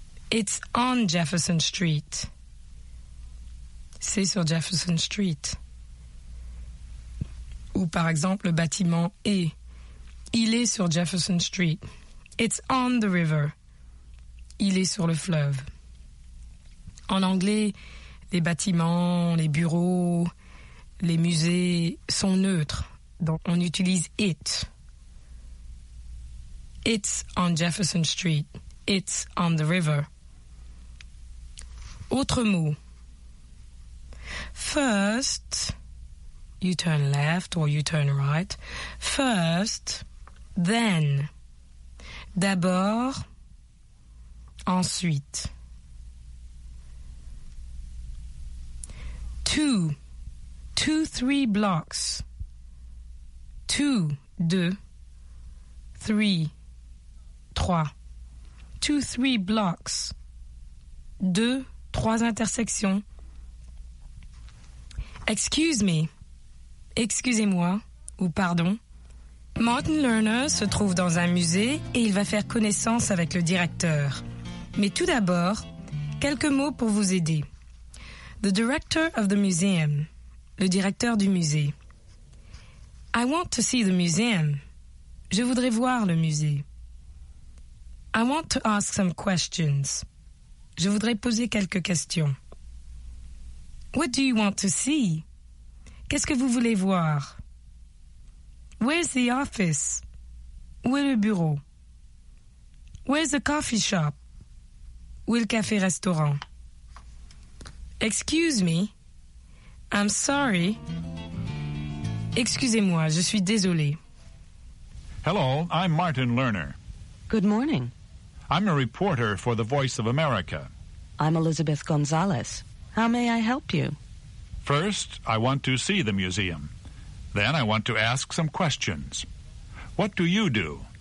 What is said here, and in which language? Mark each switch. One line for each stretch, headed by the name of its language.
English: It's on Jefferson Street.
French: C'est sur Jefferson Street. Ou par exemple, le bâtiment est. Il est sur Jefferson Street.
English: It's on the river.
French: Il est sur le fleuve. En anglais, les bâtiments, les bureaux, les musées sont neutres. Donc, on utilise it.
English: It's on Jefferson Street. It's on the river.
French: Autre mot.
English: First, you turn left or you turn right. First, then.
French: D'abord, ensuite.
English: Two. Two, three blocks. Two, deux, three, trois. Two, three blocks.
French: Deux, trois intersections.
English: Excuse me.
French: Excusez-moi, ou pardon. Martin Lerner se trouve dans un musée et il va faire connaissance avec le directeur. Mais tout d'abord, quelques mots pour vous aider.
English: The director of the museum.
French: Le directeur du musée.
English: I want to see the museum.
French: Je voudrais voir le musée.
English: I want to ask some questions.
French: Je voudrais poser quelques questions.
English: What do you want to see?
French: Qu'est-ce que vous voulez voir?
English: Where's the office?
French: Où est le bureau?
English: Where's the coffee shop?
French: Où est le café-restaurant?
English: Excuse me. I'm sorry.
French: Excusez-moi, je suis désolée.
English: Hello, I'm Martin Lerner. Good morning. I'm a reporter for The Voice of America. I'm Elizabeth Gonzalez. How may I help you? First, I want to see the museum. Then I want to ask some questions. What do you do?